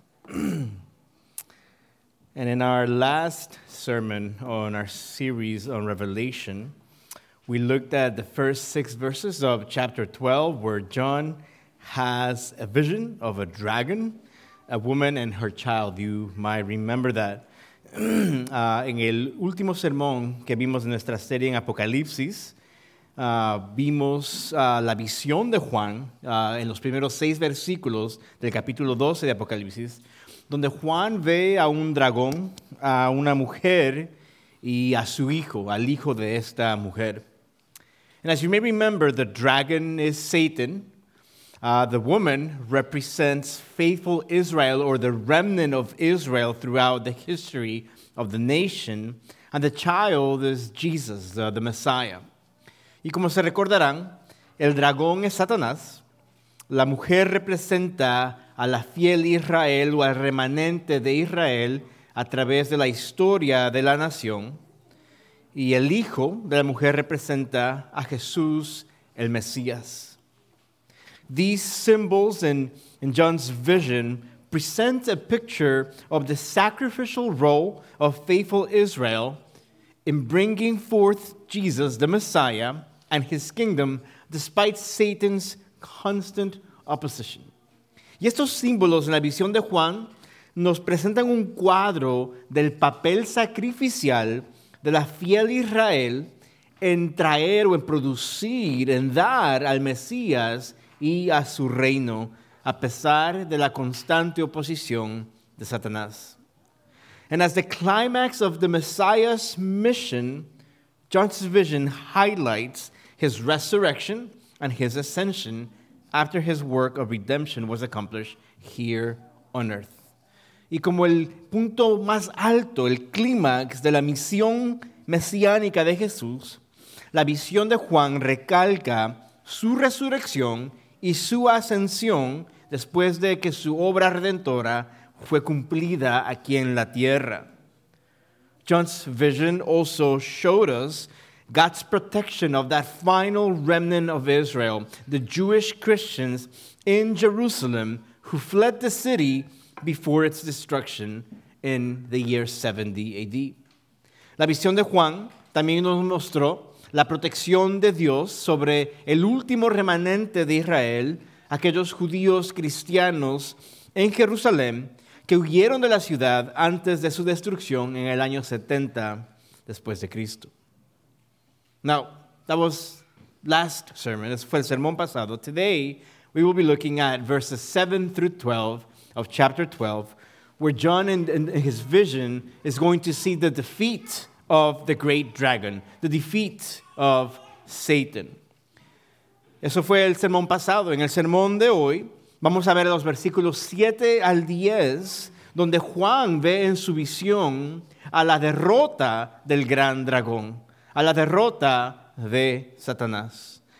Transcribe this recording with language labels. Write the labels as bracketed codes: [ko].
[en] And in our last sermon on our series on Revelation, we looked at the first six verses of chapter 12, where John has a vision of a dragon, a woman, and her child. You might remember that. [es] En el último sermón que vimos en nuestra serie en Apocalipsis, vimos la visión de Juan en los primeros seis versículos del capítulo 12 de Apocalipsis, donde Juan ve a un dragón, a una mujer y a su hijo, al hijo de esta mujer. [en] And as you may remember, the dragon is Satan. The woman represents faithful Israel or the remnant of Israel throughout the history of the nation. And the child is Jesus, the Messiah. [es] Y como se recordarán, el dragón es Satanás. La mujer representa a la fiel Israel o al remanente de Israel a través de la historia de la nación. Y el hijo de la mujer representa a Jesús, el Mesías. [en] These symbols in John's vision present a picture of the sacrificial role of faithful Israel in bringing forth Jesus, the Messiah, and his kingdom, despite Satan's constant opposition. [es] Y estos símbolos en la visión de Juan nos presentan un cuadro del papel sacrificial de la fiel Israel en traer o en producir, en dar al Mesías y a su reino, a pesar de la constante oposición de Satanás. [en] And as the climax of the Messiah's mission, John's vision highlights his resurrection and his ascension after his work of redemption was accomplished here on earth. [es] Y como el punto más alto, el clímax de la misión mesiánica de Jesús, la visión de Juan recalca su resurrección y su ascensión después de que su obra redentora fue cumplida aquí en la tierra. [en] John's vision also showed us God's protection of that final remnant of Israel, the Jewish Christians in Jerusalem who fled the city before its destruction in the year 70 AD. [es] La visión de Juan también nos mostró la protección de Dios sobre el último remanente de Israel, aquellos judíos cristianos en Jerusalén que huyeron de la ciudad antes de su destrucción en el año 70 después de Cristo. [en] Now, that was last sermon. [es] Ese fue el sermón pasado. [en] Today, we will be looking at verses 7 through 12 of chapter 12, where John in his vision is going to see the defeat of the great dragon, the defeat of Satan. [es] Eso fue el sermón pasado. En el sermón de hoy, vamos a ver los versículos 7 al 10, donde Juan ve en su visión a la derrota del gran dragón, a la derrota de Satanás.